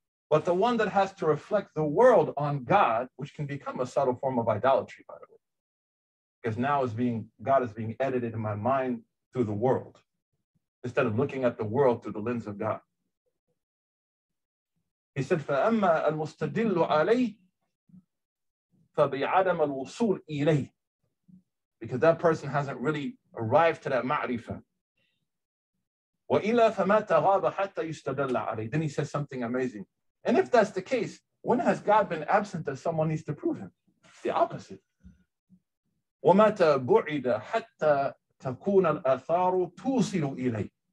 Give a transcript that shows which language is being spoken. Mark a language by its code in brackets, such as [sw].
[en] But the one that has to reflect the world on God, which can become a subtle form of idolatry, by the way, because now God is being edited in my mind through the world, instead of looking at the world through the lens of God. He said, [ar] فَأَمَّا الْمُسْتَدِلُّ عَلَيْهِ فَبِعَدَمَ الْوُصُولِ إِلَيْهِ. [en] Because that person hasn't really arrived to that ma'rifah. [ar] وَإِلَّا فَمَا تَغَابَ حَتَّى يُسْتَدَلَّ عَلَيْهِ. [en] Then he says something amazing. And if that's the case, when has God been absent that someone needs to prove Him? The opposite. [ar] وَمَتَ بُعِدَ حَتَّى تَكُونَ الْأَثَارُ تُوصِلُ إِلَيْهِ.